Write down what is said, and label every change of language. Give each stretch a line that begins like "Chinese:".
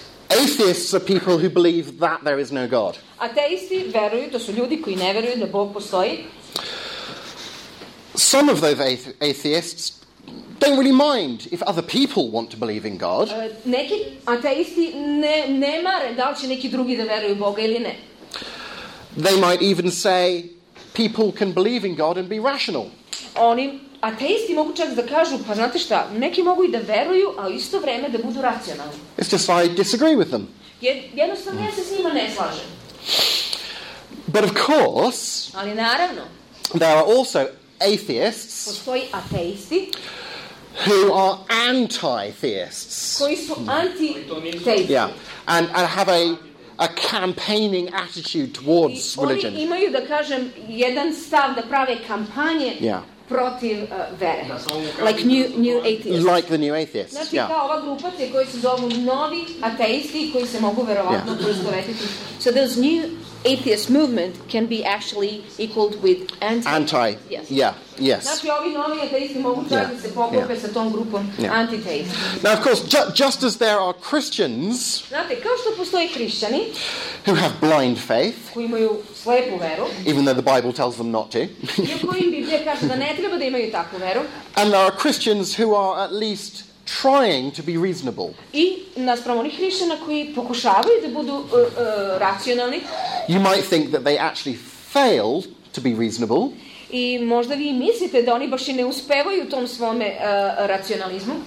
English: Atheists are people who believe that there is no God.
Serbian: Ateisti veruju, to su ljudi koji ne veruju da Bog postoji.
English: Some of those atheists don't really mind if other people want to believe in God.
Serbian: Neki ateisti ne mare da li će neki drugi da veruju Boga ili ne.
English: They might even say people can believe in God and be rational.
Serbian: Oni ateisti mogu čak da kažu, pa znate šta, neki mogu I da veruju, a isto vrijeme da budu racionalni.
English: It's just I disagree with them.
Serbian: Jednostavno ja se s njima ne slažem.
English: But of course,
Serbian: ali naravno,
English: there are also atheists.
Serbian: Postoji ateisti.
English: Who are anti-theists.
Serbian: Koji su anti-teisti.
English: Yeah. And have a campaigning attitude towards religion.
Serbian: Oni imaju, da kažem, jedan stav da prave kampanje protiv vere.
English: Like new atheists. Like the new atheists.
Serbian: Znači, kao ova grupa te koji se zovu novi ateisti koji se mogu verovatno proizvoditi.
English: So those new atheist movement can be actually equaled with anti. Yes. Yeah. Yes.
Serbian: Znači, ovi novi ateisti mogu čak da se poklope sa tom grupom anti-teisti.
English: Now, of course, just as there are Christians,
Serbian: znate, kao što postoje hrišćani,
English: who have blind faith,
Serbian: koji imaju slepu veru,
English: even though the Bible tells them not to,
Serbian: iako im Biblija kaže da ne treba da imaju takvu veru,
English: and there are Christians who are at least trying to be reasonable.
Serbian: I naspram onih hrišćana koji pokušavaju da budu racionalni,
English: you might think that they actually fail to be reasonable.
Serbian: I možda vi mislite da oni baš I ne uspevaju u tom svome racionalizmu.